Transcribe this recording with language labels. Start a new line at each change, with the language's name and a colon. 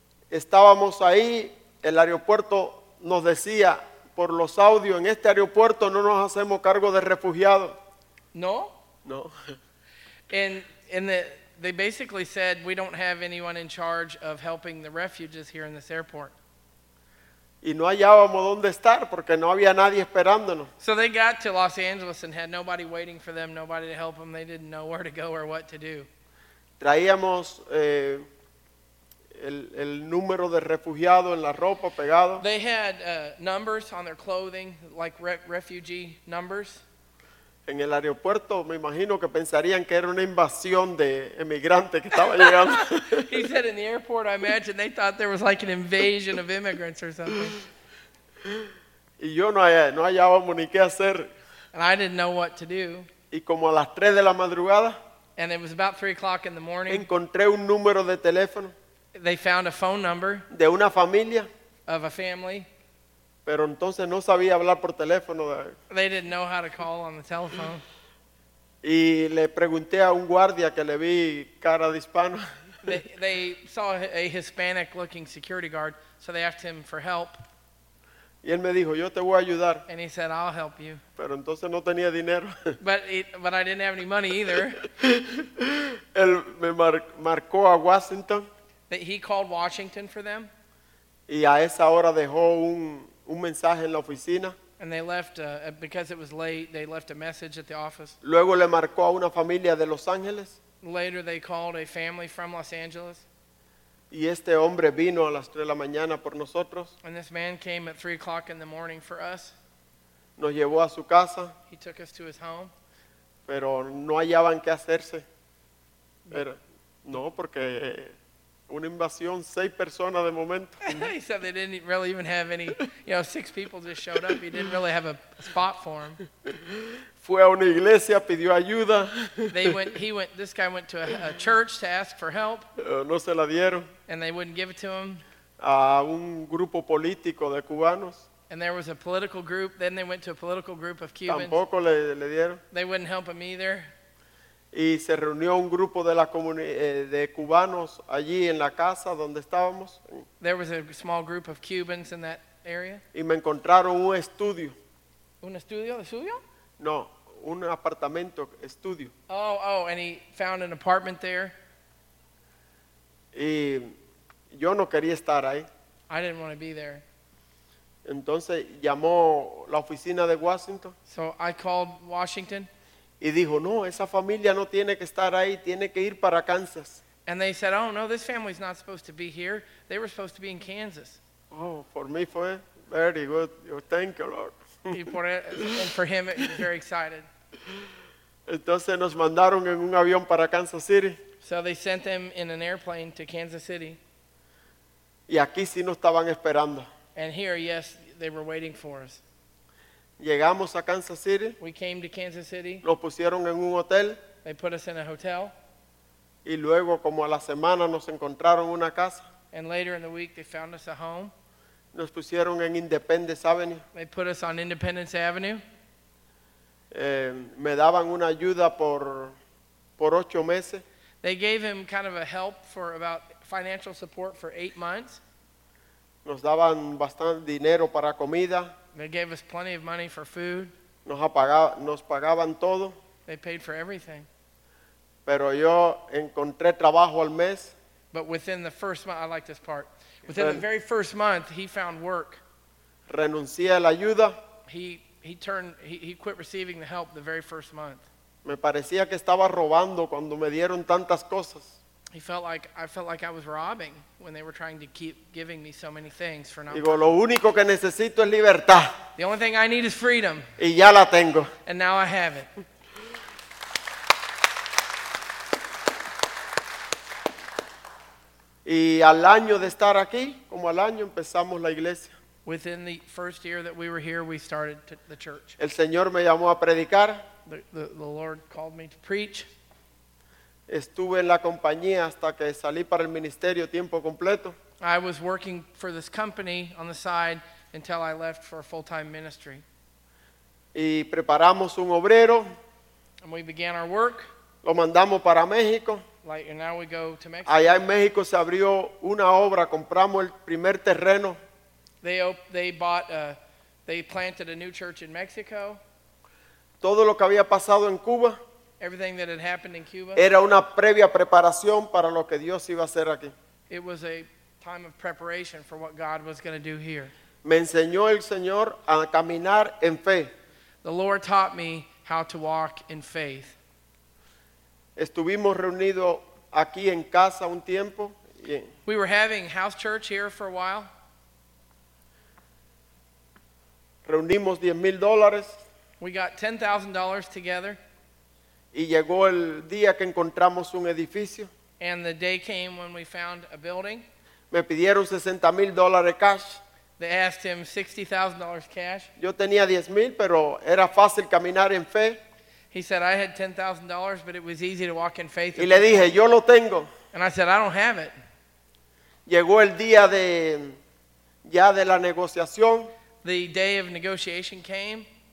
Spanish: Estábamos ahí, el aeropuerto nos decía, por los audios en este aeropuerto no nos hacemos cargo de refugiados. No. No.
English: And they basically said we don't have anyone in charge of helping the refugees here in this airport.
Spanish: Y no hallábamos dónde estar porque no había nadie esperándonos.
English: So they got to Los Angeles and had nobody waiting for them, nobody to help them. They didn't know where to go or what to do.
Spanish: Traíamos el número de refugiado en la ropa pegado.
English: They had numbers on their clothing, like refugee numbers.
Spanish: En el aeropuerto me imagino que pensarían que era una invasión de emigrantes que estaba llegando.
English: He said in the airport, I imagine they thought there was like an invasion of immigrants or something.
Spanish: Y yo no hallábamos ni qué hacer.
English: And I didn't know what to do.
Spanish: Y como a las 3 de la madrugada.
English: And it was about 3 o'clock in the morning.
Spanish: Encontré un número de teléfono.
English: They found a phone number.
Spanish: De una familia.
English: Of a family.
Spanish: Pero entonces no sabía hablar por teléfono.
English: They didn't know how to call on the telephone.
Spanish: Y le pregunté a un guardia que le vi cara de hispano.
English: They saw a Hispanic looking security guard, so they asked him for help.
Spanish: Y él me dijo, yo te voy a ayudar.
English: And he said, I'll help you.
Spanish: Pero entonces no tenía dinero.
English: But I didn't have any money either.
Spanish: Él me marcó a Washington.
English: He called Washington for them.
Spanish: Y a esa hora dejó un mensaje en la oficina.
English: And they left, because it was late, they left a message at the office.
Spanish: Luego le marcó a una familia de Los Ángeles.
English: Later they called a family from Los Angeles.
Spanish: Y este hombre vino a las 3 de la mañana por nosotros.
English: And this man came at 3 o'clock in the morning for us.
Spanish: Nos llevó a su casa.
English: He took us to his home.
Spanish: Pero no hallaban qué hacerse. Pero, no, porque una invasión, 6 personas de momento.
English: He said they didn't really even have any, you know, 6 people just showed up. He didn't really have a spot for them.
Spanish: Fue a una iglesia, pidió ayuda.
English: This guy went to a church to ask for help.
Spanish: No se la dieron.
English: And they wouldn't give it to him.
Spanish: A un grupo político de cubanos.
English: And there was a political group. Then they went to a political group of Cubans.
Spanish: Tampoco le dieron.
English: They wouldn't help him either.
Spanish: Y se reunió un grupo de la de cubanos allí en la casa donde estábamos.
English: There was a small group of Cubans in that area.
Spanish: Y me encontraron un estudio. ¿Un estudio de suyo? No, un apartamento, estudio.
English: Oh, and he found an apartment there.
Spanish: Y yo no quería estar ahí.
English: I didn't want to be there.
Spanish: Entonces llamó la oficina de Washington.
English: So I called Washington.
Spanish: Y dijo, no, esa familia no tiene que estar ahí, tiene que ir para Kansas.
English: And they said, oh, no, this family's not supposed to be here. They were supposed to be in Kansas. Oh, for me fue very good. Thank you, Lord. And for him, he was very excited.
Spanish: Entonces nos mandaron en un avión para Kansas City.
English: So they sent them in an airplane to Kansas City.
Spanish: Y aquí sí nos estaban esperando.
English: And here, yes, they were waiting for us.
Spanish: Llegamos a Kansas City.
English: We came to Kansas City.
Spanish: Nos pusieron en un hotel.
English: They put us in a hotel.
Spanish: Y luego, como a la semana, nos encontraron una casa.
English: And later in the week, they found us a home.
Spanish: Nos pusieron en Independence Avenue.
English: They put us on Independence Avenue.
Spanish: Me daban una ayuda por 8 meses.
English: They gave him kind of a help for about financial support for 8 months.
Spanish: Nos daban bastante dinero para comida.
English: They gave us plenty of money for food.
Spanish: Nos pagaban todo.
English: They paid for everything.
Spanish: Pero yo encontré trabajo al mes.
English: But within the first month, I like this part. Within the very first month, he found work.
Spanish: Renuncié a la ayuda.
English: He quit receiving the help the very first month.
Spanish: Me parecía que estaba robando cuando me dieron tantas cosas.
English: I felt like I was robbing when they were trying to keep giving me so many things for not.
Spanish: Digo, lo único que necesito es libertad.
English: The only thing I need is freedom.
Spanish: Y ya la tengo.
English: And now I have it.
Spanish: Y al año de estar aquí, como al año empezamos la iglesia.
English: Within the first year that we were here, we started the church.
Spanish: El Señor me llamó a predicar.
English: The Lord called me to preach.
Spanish: Estuve en la compañía hasta que salí para el ministerio tiempo completo.
English: I was working for this company on the side until I left for a full-time ministry.
Spanish: Y preparamos un obrero.
English: And we began our work.
Spanish: Lo mandamos para México.
English: Like, and now we go to Mexico.
Spanish: Allá en México se abrió una obra. Compramos el primer terreno.
English: They bought They planted a new church in Mexico.
Spanish: Todo lo que había pasado en Cuba,
English: everything that had happened in Cuba,
Spanish: era una previa preparación para lo que Dios iba a hacer aquí.
English: It was a time of preparation for what God was going to do here.
Spanish: Me enseñó el Señor a caminar en fe.
English: The Lord taught me how to walk in faith.
Spanish: Estuvimos reunidos aquí en casa un tiempo.
English: We were having house church here for a while.
Spanish: Reunimos $10,000.
English: We got $10,000 together.
Spanish: Y llegó el día que encontramos un edificio.
English: And the day came when we found a building.
Spanish: Me pidieron $60,000 cash.
English: They asked him $60,000 cash.
Spanish: Yo tenía 10,000, pero era fácil caminar en fe.
English: He said, I had $10,000, but it was easy to walk in faith.
Spanish: Y le dije, yo lo tengo.
English: And I said, I don't have it.
Spanish: Llegó el día de ya de la negociación.
English: The day of negotiation came.